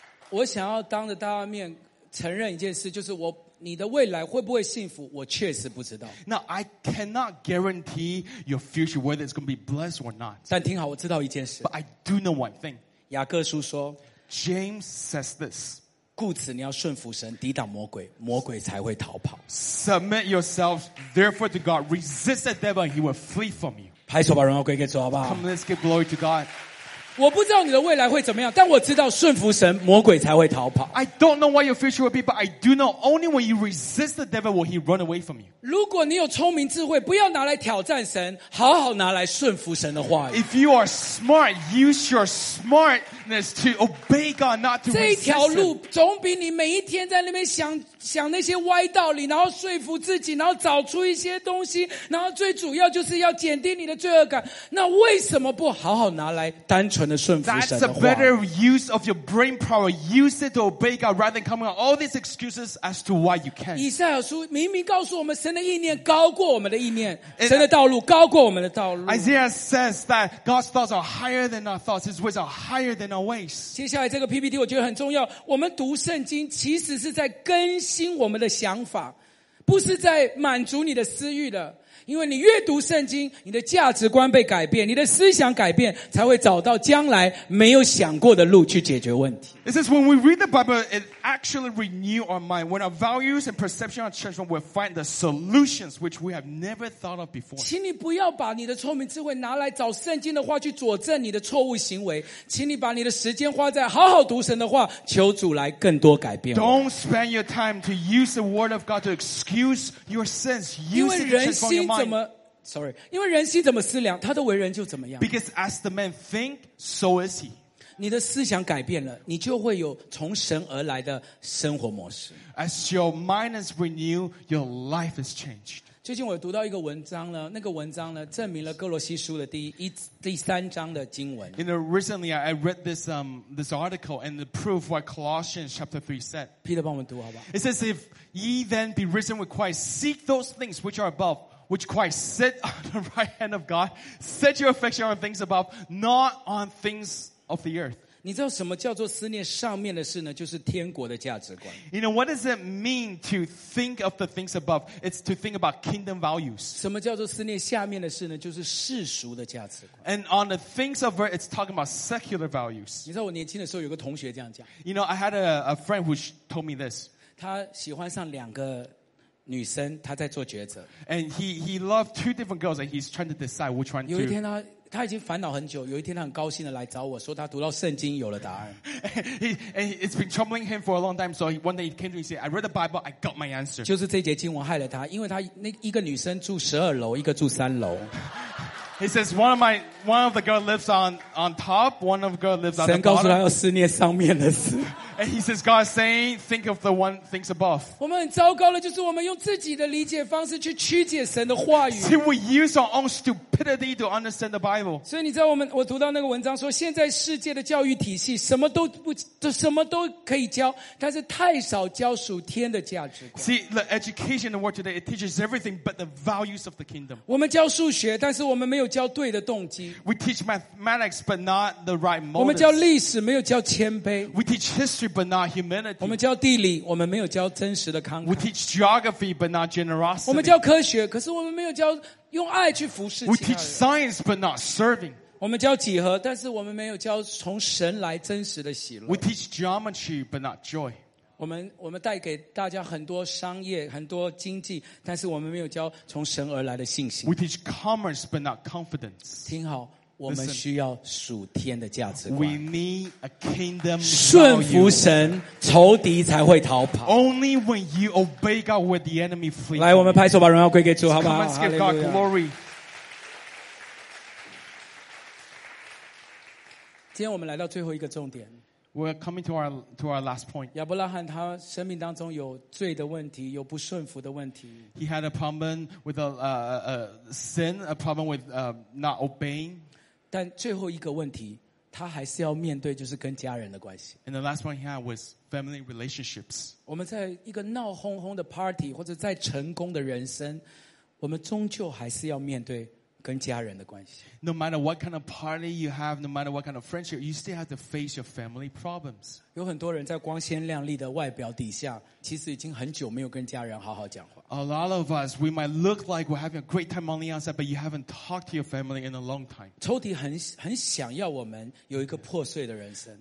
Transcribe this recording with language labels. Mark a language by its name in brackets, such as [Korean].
[Chinese] I 想要当着大家面承认一件事，就是我你的未来会不会幸福，我确实不知道。 [English] Now I cannot guarantee your future whether it's going to be blessed or not. [Chinese] 但听好，我知道一件事。 [English] But I do know one thing. [Chinese] 雅各书说 [English] ，James says this. [Chinese] 故此你要顺服神，抵挡魔鬼，魔鬼才会逃跑。 [English] Submit yourselves therefore to God. Resist the devil, he will flee from you. [Chinese] 拍手把荣耀归给主，好不好 [English] ？Come, let's give glory to God. [Chinese] 我不知道你的未来会怎么样，但我知道顺服神，魔鬼才会逃跑。 [English] I don't know what your future will be, but I do know only when you resist the devil will he run away from you. [Chinese] 如果你有聪明智慧，不要拿来挑战神，好好拿来顺服神的话语。 [English] If you are smart, use your smartness to obey God, not to resist. [Chinese] 这一条路总比你每一天在那边想。想那些歪道理，然后说服自己，然后找出一些东西，然后最主要就是要减低你的罪恶感。那为什么不好好拿来单纯的顺服神的话 [English] ？That's a better use of your brain power. Use it to obey God rather than coming up all these excuses as to why you can't. [Chinese] 以赛亚书明明告诉我们，神的意念高过我们的意念，神的道路高过我们的道路。 [English] Isaiah says that God's thoughts are higher than our thoughts. His ways are higher than our ways. [Chinese] 接下来这个 PPT 我觉得很重要。我们读圣经其实是在跟新我们的想法，不是在满足你的私欲的。因为你阅读圣经，你的价值观被改变，你的思想改变，才会找到将来没有想过的路去解决问题。 [English] It says when we read the Bible, it actually renew our mind. When our values and perception are changed, we'll find the solutions which we have never thought of before. [Chinese] 请你不要把你的聪明智慧拿来找圣经的话去佐证你的错误行为，请你把你的时间花在好好读神的话，求主来更多改变。 [English] Don't spend your time to use the word of God to excuse your sins. Use it to transform your mind. [Chinese] 因为人心怎么思量，他的为人就怎么样。 [English] Because as the man think, so is he. [Chinese] 你的思想改变了，你就会有从神而来的生活模式。 [English] As your mind is renewed, your life is changed. [Chinese] 最近我读到一个文章呢，那个文章呢，证明了哥罗西书的第三章的经文。 [English] You know, recently I read this article and the proof what Colossians chapter 3 said. [Chinese] Peter, 帮我们读好不好 [English] ？It says, if ye then be risen with Christ, seek those things which are above. Which Christ sit on the right hand of God, set your affection on things above, not on things of the earth. [Chinese] 你知道什么叫做思念上面的事呢？就是天国的价值观。 [English] You know what does it mean to think of the things above? It's to think about kingdom values. [Chinese] 什么叫做思念下面的事呢？就是世俗的价值观。 [English] And on the things of earth, it's talking about secular values. [Chinese] 你知道我年轻的时候有个同学这样讲。 [English] You know, I had a friend who told me this. [Chinese] 他喜欢上两个女生，他在做抉择。 [English] And he loved two different girls, and he's trying to decide which one to. [Chinese] 有一天他已经烦恼很久，有一天他很高兴的来找我说他读到圣经有了答案。 [English] And it's been troubling him for a long time, so one day he came to me and said, I read the Bible, I got my answer. [Chinese] 就是这节经文害了他，因为他那一个女生住十二楼，一个住三楼。 [English] He says, one of the girls lives on top, one of the girls lives on the bottom. [Chinese] 神告诉他要思念上面的事。 [English] And he says, God's saying, think of the one things above. [Chinese] 我们很糟糕的就是我们用自己的理解方式去曲解神的话语。 [English] See, we use our own stupidity to understand the Bible. [Chinese] 所以你知道我读到那个文章说，现在世界的教育体系什么都可以教，但是太少教属天的价值观。 [English] See, the education in the world today, it teaches everything but the values of the kingdom. [Chinese] 我们教数学，但是我们没有教对的动机。 [English] We teach mathematics, but not the right motives. [Chinese] 我们教历史，没有教谦卑。 [English] We teach history, but not humility. [Chinese] 我们教地理，我们没有教真实的慷慨。 [English] We teach geography, but not generosity. [Chinese] 我们教科学，可是我们没有教用爱去服侍其他人。 [English] We teach science, but not serving. [Chinese] 我们教几何，但是我们没有教从神来真实的喜乐。 [English] We teach geometry, but not joy. [Chinese] 我们带给大家很多商业，很多经济，但是我们没有教从神而来的信心。 [English] We teach commerce, but not confidence. [Chinese] 听好。我们需要属天的价值观。 [English] We need a kingdom value. [Chinese] 顺服神，仇敌才会逃跑。 [English] Only when you obey God will the enemy flee. [Chinese] 来，我们拍手把荣耀归给主，好不好？ [English] Come and give God glory. [Chinese] 今天我们来到最后一个重点。 [English] We're coming to our last point. [Chinese] 亚伯拉罕他生命当中有罪的问题，有不顺服的问题。 [English] He had a problem with a sin, a problem with not obeying. [Chinese] 但最后一个问题，他还是要面对，就是跟家人的关系。 [English] And the last one he had was family relationships. [Chinese] 我们在一个闹哄哄的 party 或者在成功的人生，我们终究还是要面对。跟家人的关系。 [English] No matter what kind of party you have, no matter what kind of friendship, you still have to face your family problems. [Chinese] 有很多人在光鲜亮丽的外表底下，其实已经很久没有跟家人好好讲话。 [English] A lot of us, we might look like we're having a great time on the outside, but you haven't talked to your family in a long time. [Chinese] 仇敌很想要我们有一个破碎的人生。